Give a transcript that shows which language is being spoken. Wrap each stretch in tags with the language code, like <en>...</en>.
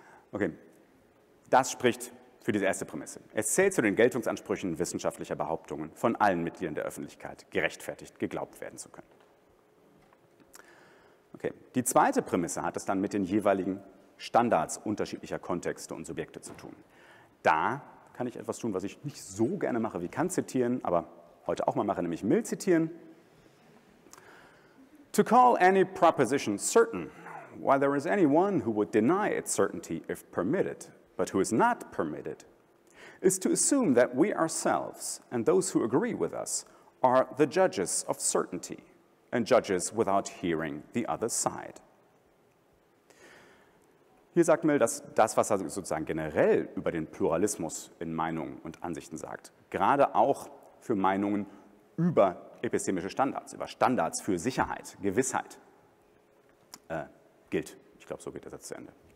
<de>Okay. Das spricht für diese erste Prämisse. Es zählt zu den Geltungsansprüchen wissenschaftlicher Behauptungen, von allen Mitgliedern der Öffentlichkeit gerechtfertigt geglaubt werden zu können. Okay. Die zweite Prämisse hat es dann mit den jeweiligen Standards unterschiedlicher Kontexte und Subjekte zu tun. Da kann ich etwas tun, was ich nicht so gerne mache wie Kant zitieren, aber heute auch mal mache, nämlich Mill zitieren.</de> <en>To call any proposition certain, while there is anyone who would deny its certainty if permitted, but who is not permitted, is to assume that we ourselves and those who agree with us are the judges of certainty and judges without hearing the other side.</en> <de>Hier sagt Mill, dass das, was er sozusagen generell über den Pluralismus in Meinungen und Ansichten sagt, gerade auch für Meinungen über epistemische Standards, über Standards für Sicherheit, Gewissheit, gilt. Ich glaube, so geht der Satz zu Ende.</de>